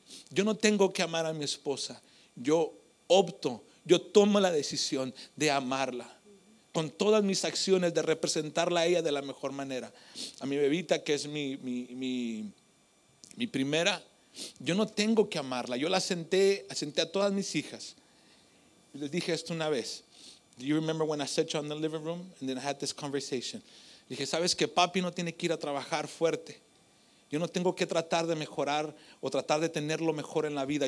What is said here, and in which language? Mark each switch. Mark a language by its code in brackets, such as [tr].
[es] Yo no tengo que amar a mi esposa, yo tomo la decisión de amarla con todas mis acciones, de representarla a ella de la mejor manera. A mi bebita, que es mi primera, yo no tengo que amarla. Yo la senté a todas mis hijas y les dije esto una vez. [en] Do you remember when I sat you in the living room and then I had this conversation? [es] Dije, ¿sabes qué? Papi no tiene que ir a trabajar fuerte. Yo no tengo que tratar de mejorar o tratar de tener lo mejor en la vida.